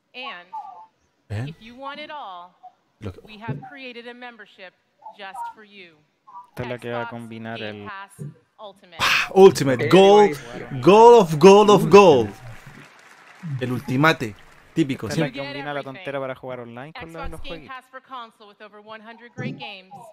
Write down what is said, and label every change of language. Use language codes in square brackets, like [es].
[en] And if you want it all, we have created a membership just for you. [es] Esta es la que va a combinar el [en] Ultimate. Ultimate Gold, Gold of Gold of Gold. [es] El ultimate típico, ¿sí? Que combina la tontera para jugar online con los juegos. [en] Xbox Game Pass for console with over 100 great games.